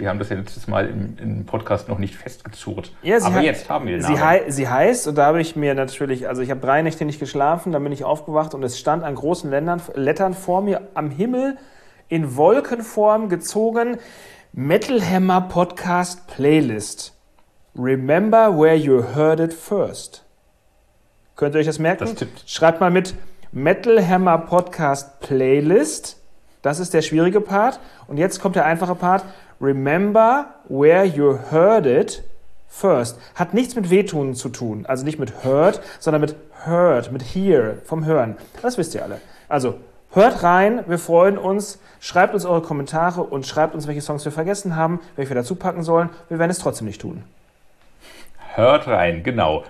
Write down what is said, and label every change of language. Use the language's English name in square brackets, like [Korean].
[German] Wir haben das ja letztes Mal im Podcast noch nicht festgezurrt. Ja, jetzt haben wir den Namen. Sie heißt, und da habe ich mir natürlich, also ich habe 3 Nächte nicht geschlafen, dann bin ich aufgewacht und es stand an großen Lettern vor mir am Himmel, in Wolkenform gezogen, Metalhammer Podcast Playlist. [English] Remember where you heard it first. [German] Könnt ihr euch das merken? Schreibt mal mit Metalhammer Podcast Playlist. Das ist der schwierige Part. Und jetzt kommt der einfache Part. [English] Remember where you heard it first. [German] Hat nichts mit Wehtun zu tun. Also nicht mit heard, sondern mit heard, mit hear, vom Hören. Das wisst ihr alle. Also hört rein, wir freuen uns. Schreibt uns eure Kommentare und schreibt uns, welche Songs wir vergessen haben, welche wir dazu packen sollen. Wir werden es trotzdem nicht tun. Hört rein, genau.